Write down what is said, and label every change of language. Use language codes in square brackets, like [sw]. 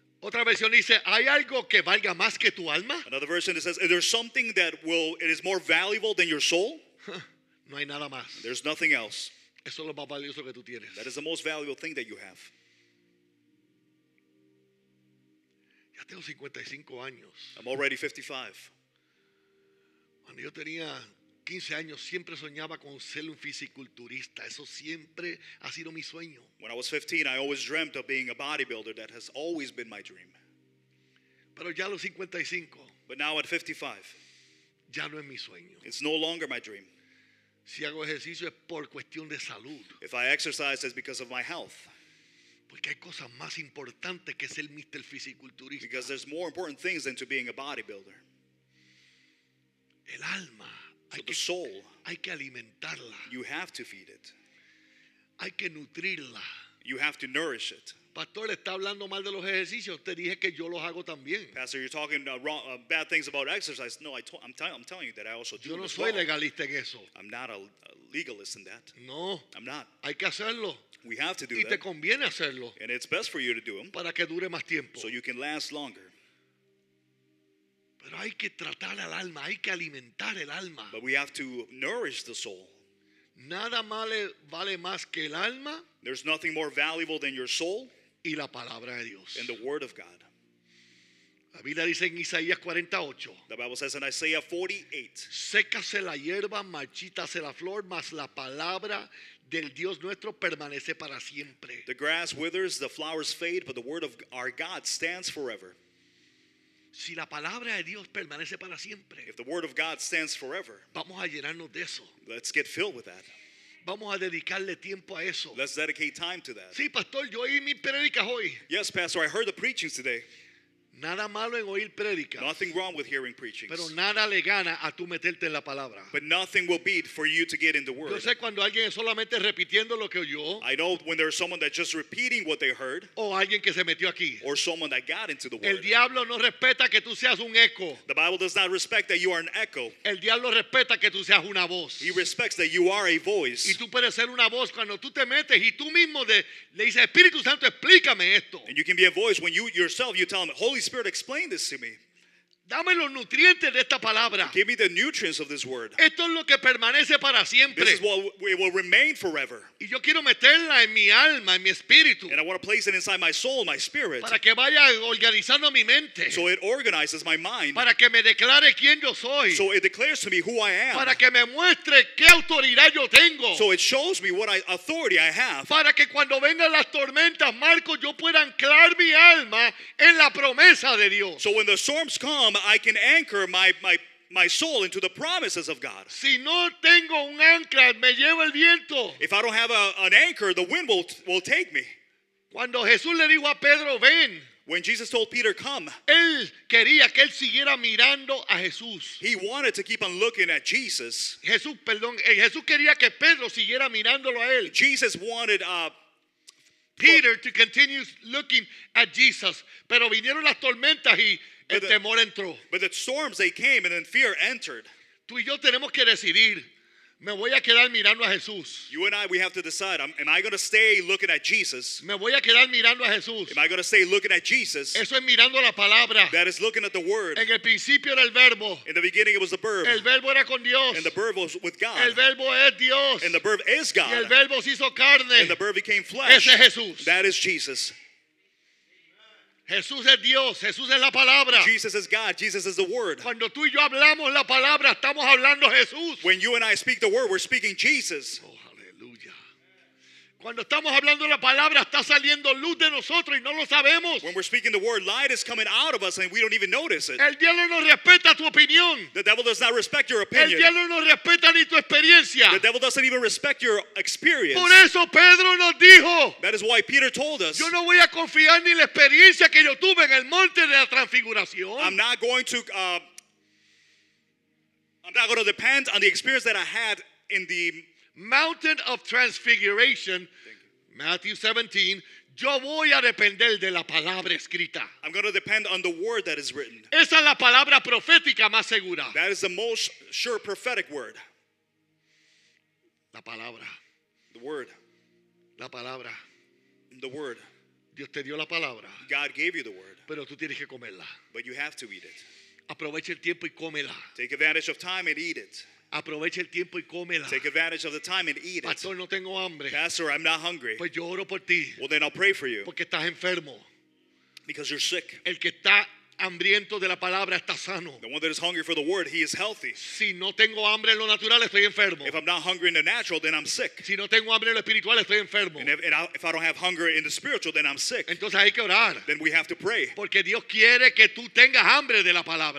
[es] Otra versión dice, ¿hay algo que valga más que tu alma? [en] Another version says, is there something that will it is more valuable than your soul? [es] No hay nada más. [en] There's nothing else. [es] Eso es lo más valioso que tú tienes. [en] That is the most valuable thing that you have. [es] Tengo 55 años. [en] I'm already 55. [es] Cuando yo tenía 15 años, siempre soñaba con ser un fisiculturista. Eso siempre ha sido mi sueño. [en] When I was 15, I always dreamt of being a bodybuilder. That has always been my dream. [es] Pero ya a los 55. [en] But now at 55. [es] Ya no es mi sueño. [en] It's no longer my dream. [es] Si hago ejercicio es por cuestión de salud. [en] If I exercise, it's because of my health. [es] Porque hay cosas más importantes que ser Mr. Fisiculturista. [en] Because there's more important things than to being a bodybuilder. [es] El alma. [en] So the soul. [es] Hay que alimentarla. [en] You have to feed it. [es] Hay que nutrirla. [en] You have to nourish it. [es] Pastor, le está hablando mal de los ejercicios. Te dije que yo los hago también. [en] Pastor, you're talking bad things about exercise. No, I'm telling you that I also do it. [es] Yo no soy legalista en eso. [en] I'm not a legalist in that. [es] No. [en] I'm not. [es] Hay que hacerlo. [en] We have to do [es] y [en] that. [es] Te conviene hacerlo. [en] And it's best for you to do them. [es] Para que dure más tiempo. [en] So you can last longer. [es] Pero hay que tratar al alma. Hay que alimentar el alma. [en] But we have to nourish the soul. [es] Nada male vale más que el alma. [en] There's nothing more valuable than your soul. [es] Y la palabra de Dios. [en] And the word of God. [es] La Biblia dice en Isaías 48. [en] The Bible says in Isaiah 48. [es] Sécase la hierba, marchítase la flor, mas la palabra del Dios nuestro permanece para siempre. [en] The grass withers, the flowers fade, but the word of our God stands forever. [es] Si la palabra de Dios permanece para siempre, [en] if the word of God stands forever, [es] vamos a llenarnos de eso. [en] Let's get filled with that. [es] Vamos a dedicarle tiempo a eso. [en] Let's dedicate time to that. [es] Sí, pastor, yo oí mis prédicas hoy. [en] Yes, pastor, I heard the preachings today. [es] Nada malo en oír predicas. [en] Nothing wrong with hearing preachings. [es] Pero nada le gana a tú meterte en la palabra. [en] But nothing will beat for you to get in the word. [es] Yo sé cuando alguien es solamente repitiendo lo que oyó. [en] I know when there's someone that's just repeating what they heard. [es] O alguien que se metió aquí. [en] Or someone that got into the word. [es] El diablo no respeta que tú seas un eco. [en] The Bible does not respect that you are an echo. [es] El diablo respeta que tú seas una voz. [en] He respects that you are a voice. [es] Y tú puedes ser una voz cuando tú te metes y tú mismo le dices, Espíritu Santo, explícame esto. [en] And you can be a voice when you yourself you tell him, Holy Spirit, Spirit, explain this to me. [es] Dame los nutrientes de esta palabra. [en] Give me the nutrients of this word. [es] Esto es lo que permanece para siempre. [en] This is what it will remain forever. [es] Y yo quiero meterla en mi alma, en mi espíritu. [en] And I want to place it inside my soul, my spirit. [es] Para que vaya organizando mi mente. [en] So it organizes my mind. [es] Para que me declare quién yo soy. [en] So it declares to me who I am. [es] Para que me muestre qué autoridad yo tengo. [en] So it shows me what authority I have. [es] Para que cuando vengan las tormentas, Marcos, yo pueda anclar mi alma en la promesa de Dios. [en] So when the storms come, I can anchor my soul into the promises of God. [es] Si no tengo un ancla, me lleva el viento. [en] If I don't have an anchor, the wind will take me. [es] Cuando Jesús le dijo a Pedro, ven. [en] When Jesus told Peter, come. [es] Él quería que él siguiera mirando a Jesús. [en] He wanted to keep on looking at Jesus. [es] Jesús, perdón, Jesús quería que Pedro siguiera mirándolo a él. [en] Jesus wanted Peter to continue looking at Jesus. [es] Pero vinieron las tormentas y el temor entró. [en] But the storms, they came and then fear entered. [es] Tú y yo tenemos que decidir. Me voy a quedar mirando a Jesús. [en] You and I, we have to decide. Am I going to stay looking at Jesus? [es] Me voy a quedar mirando a Jesús. [en] Am I going to stay looking at Jesus? [es] Eso es mirando la palabra. [en] That is looking at the word. [es] En el principio era el verbo. [en] In the beginning it was the verb. [es] El verbo era con Dios. [en] And the verb was with God. [es] El verbo es Dios. [en] And the verb is God. [es] Y el verbo se hizo carne. [en] And the verb became flesh. [es] Ese es Jesús. [en] That is Jesus. [es] Jesús es Dios, Jesús es la palabra. [en] Jesus is God, Jesus is the word. [es] Cuando tú y yo hablamos la palabra, estamos hablando Jesús. [en] When you and I speak the word, we're speaking Jesus. [es] Oh, aleluya. Cuando estamos hablando la palabra, está saliendo luz de nosotros y no lo sabemos. [en] When we're speaking the word, light is coming out of us and we don't even notice it. [es] El diablo no respeta tu opinión. [en] The devil does not respect your opinion. [es] El diablo no respeta ni tu experiencia. [en] The devil doesn't even respect your experience. [es] Por eso Pedro nos dijo. [en] That is why Peter told us. [es] Yo no voy a confiar ni la experiencia que yo tuve en el monte de la transfiguración. [en] I'm not going to depend on the experience that I had in the Mountain of Transfiguration, Matthew 17, [es] yo voy a depender de la palabra escrita. [en] I'm going to depend on the word that is written. [es] Esa es la palabra profética más segura. [en] That is the most sure prophetic word. [es] La palabra. [en] The word. [es] La palabra. [en] The word. [es] Dios te dio la palabra. [en] God gave you the word. [es] Pero tú tienes que comerla. [en] But you have to eat it. [es] Aprovecha el tiempo y cómela. [en] Take advantage of time and eat it. [es] Aprovecha el tiempo y cómela. [en] Take advantage of the time and eat it. [es] Pastor, no tengo hambre. [en] Pastor, I'm not hungry. [es] Pues yo oro por ti. [en] Well, then I'll pray for you. [es] Porque estás enfermo. [en] Because you're sick. [es] El que está hambriento de la palabra está sano. [en] The one that is hungry for the word, he is healthy. [es] Si no tengo hambre en lo natural, estoy enfermo. [en] If I'm not hungry in the natural, then I'm sick. [es] Si no tengo hambre en lo espiritual, estoy enfermo. [en] And if I don't have hunger in the spiritual, then I'm sick. [es] Entonces hay que orar. [en] Then we have to pray. [es] Porque Dios quiere que tú tengas hambre de la palabra.